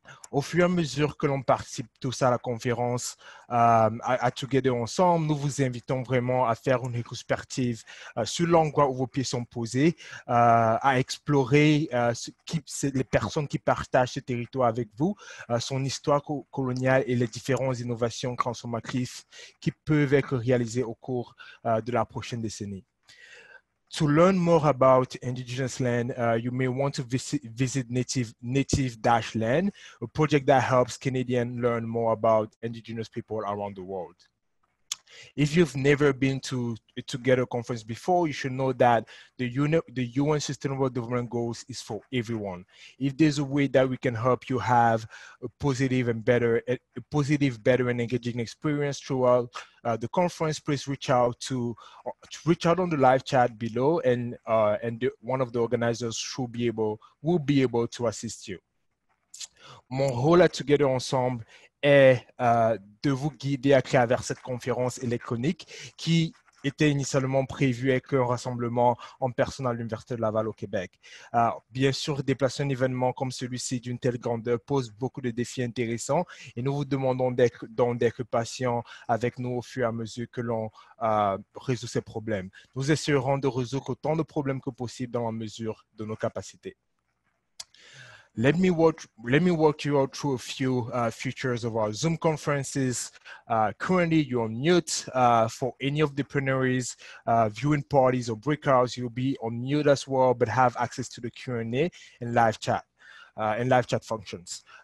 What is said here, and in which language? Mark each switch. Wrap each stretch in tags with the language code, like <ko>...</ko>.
<fr>Au fur et à mesure que l'on participe tous à la conférence à Together Ensemble, nous vous invitons vraiment à faire une rétrospective sur l'endroit où vos pieds sont posés, à explorer les personnes qui partagent ce territoire avec vous, son histoire coloniale et les différentes innovations transformatrices qui peuvent être réalisées au cours de la prochaine décennie.</fr> <en>To learn more about Indigenous land, you may want to visit Native-Land, a project that helps Canadians learn more about Indigenous people around the world. If you've never been to a Together conference before, you should know that the UN Sustainable Development Goals is for everyone. If there's a way that we can help you have a positive, better, and engaging experience throughout the conference, please reach out on the live chat below, and one of the organizers will be able to assist you.</en> <fr>Mon rôle à Together Ensemble est de vous guider à travers cette conférence électronique qui était initialement prévue avec un rassemblement en personne à l'Université de Laval au Québec. Bien sûr, déplacer un événement comme celui-ci d'une telle grandeur pose beaucoup de défis intéressants, et nous vous demandons d'être patients avec nous au fur et à mesure que l'on résout ces problèmes. Nous essaierons de résoudre autant de problèmes que possible dans la mesure de nos capacités.</fr> <en>Let me walk you all through a few features of our Zoom conferences. Currently, you're on mute. For any of the plenaries, viewing parties, or breakouts, you'll be on mute as well, but have access to the Q&A and live chat functions.</en>